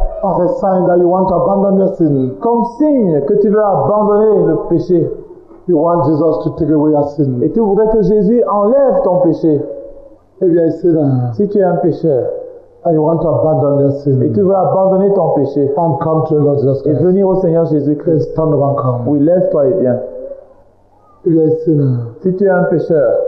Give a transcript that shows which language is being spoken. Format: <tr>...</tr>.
<en>As a sign that you want to abandon your sin.</en> <fr>Comme signe que tu veux abandonner le péché.</fr> <en>You want Jesus to take away your sin.</en> <fr>Et tu voudrais que Jésus enlève ton péché.</fr> <en>If you are a sinner,</en> <fr>si tu es un pécheur.</fr> <en>And you want to abandon your sin.</en> <fr>Et tu veux abandonner ton péché.</fr> <en>And come to the Lord Jesus Christ.</en> <fr>Et venir au Seigneur Jésus-Christ.</fr> <en>Stand up and come.</en> <fr>Oui, lève-toi et viens. Si tu es un pécheur,</fr>